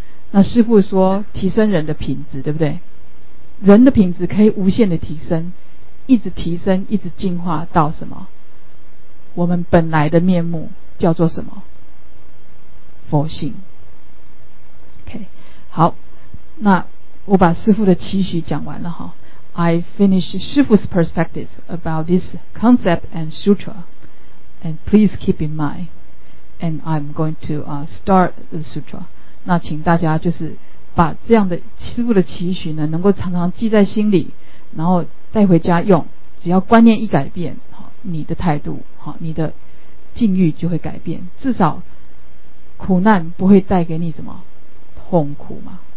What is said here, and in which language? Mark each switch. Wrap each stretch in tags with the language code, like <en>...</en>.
<zh>那师父说提升人的品质，对不对？人的品质可以无限的提升，一直提升，一直进化到什么？我们本来的面目叫做什么？佛性。 OK， 好，那我把师父的期许讲完了哈。</zh> <en>I finish 师父's perspective about this concept and sutra, and please keep in mind. And I'm going to start the sutra.</en> <zh>那请大家就是把这样的师父的期许呢，能够常常记在心里，然后带回家用。只要观念一改变，你的态度，你的境遇就会改变，至少苦难不会带给你什么痛苦嘛。</zh>